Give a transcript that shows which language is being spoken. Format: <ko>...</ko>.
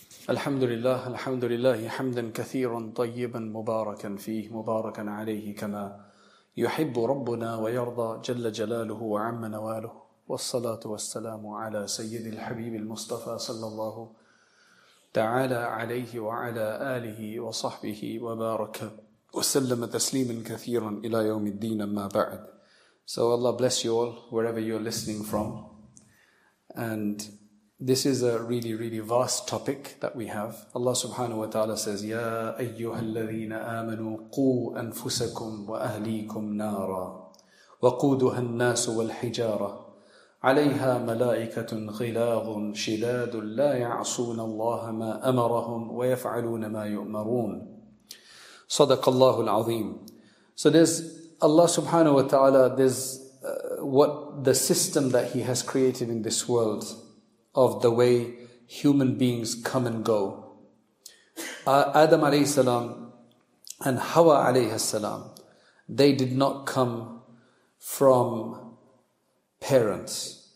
<ar>الحمد لله، الحمد لله حمدا كثيرا طيبا مباركا فيه، مباركا عليه كما يحب ربنا ويرضى جل جلاله وعم نواله، والصلاة والسلام على سيد الحبيب المصطفى صلى الله تعالى عليه وعلى آله وصحبه وبارك وسلم تسليما كثيرا إلى يوم الدين، أما بعد.</ar> <en>So Allah bless you all wherever you're listening from. And this is a really, really vast topic that we have. Allah subhanahu wa ta'ala says,</en> <ar>يَا أَيُّهَا الَّذِينَ آمَنُوا قُوْ أَنفُسَكُمْ وَأَهْلِيكُمْ نَارًا وَقُودُهَا النَّاسُ وَالْحِجَارَةُ عَلَيْهَا مَلَائِكَةٌ غِلَاظٌ شِدَادٌ لَا يَعْصُونَ اللَّهَ مَا أَمَرَهُمْ وَيَفْعَلُونَ مَا يُؤْمَرُونَ صدق الله العظيم.</ar> <en>So there's Allah subhanahu wa ta'ala, there's what the system that He has created in this world of the way human beings come and go. Adam alayhi salam and Hawa alayhi salam, they did not come from parents.</en>